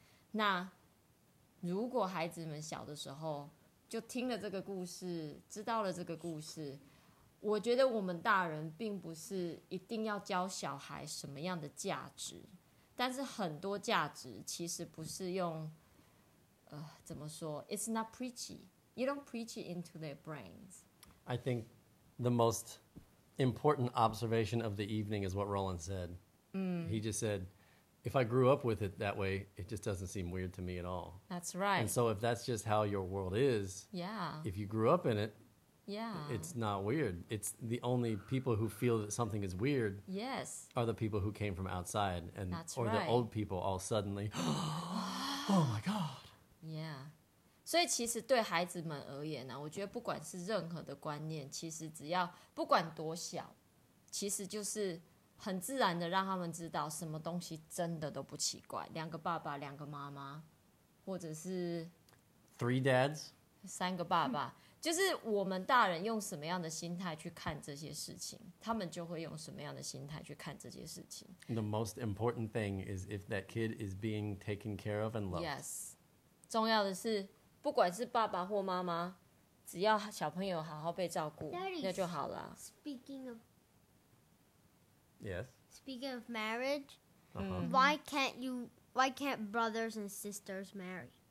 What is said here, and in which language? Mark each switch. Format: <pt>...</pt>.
<zh>那如果孩子们小的时候就听了这个故事，知道了这个故事，我觉得我们大人并不是一定要教小孩什么样的价值，但是很多价值其实不是用怎么说 ？</zh> <en>It's not preachy. You don't preach it into their brains. I think the most important observation of the evening is what Roland said. He just said, "If I grew up with it that way, it just doesn't seem weird to me at all." That's right. And so, if that's just how your world is, yeah. If you grew up in it, yeah, it's not weird. It's the only people who feel that something is weird. Yes, are the people who came from outside and that's or right. the old people all suddenly. Oh my God. Yeah,</en> <zh>所以其实对孩子们而言呢、啊，我觉得不管是任何的观念，其实只要不管多小，其实就是很自然的让他们知道什么东西真的都不奇怪。两个爸爸，两个妈妈，或者是</zh> <en>three dads，</en> <zh>三个爸爸，就是我们大人用什么样的心态去看这些事情，他们就会用什么样的心态去看这些事情。</zh> <en>The most important thing is if that kid is being taken care of and loved. Yes.</en> <zh>重要的是，不管是爸爸或妈妈，只要小朋友好好被照顾，那就好了。</zh> <en>Speaking of, yes. Speaking of marriage,、 uh-huh. Why can't brothers and sisters marry?</en>